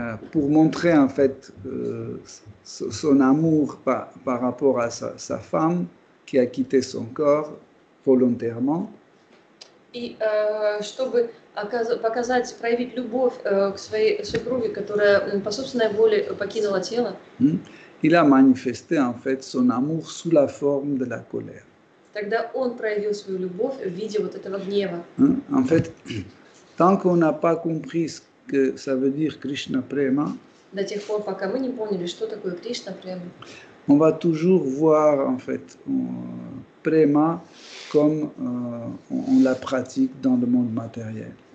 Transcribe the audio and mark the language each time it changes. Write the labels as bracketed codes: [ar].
[fr] Pour montrer en fait son amour par rapport à sa femme qui a quitté son corps volontairement. [ru] И чтобы показать, проявить любовь к своей супруге, которая по собственной воле покинула тело. [fr] Il a manifesté en fait son amour sous la forme de la colère. [ru] Тогда он проявил свою любовь в виде вот этого гнева. [fr] En fait, tant qu'on n'a pas compris que ça veut dire Krishna Prema. [ru] До тех пор, пока мы не поняли, что такое Кришна Према. [fr] On va toujours voir en fait Prema comme on la pratique dans le monde matériel.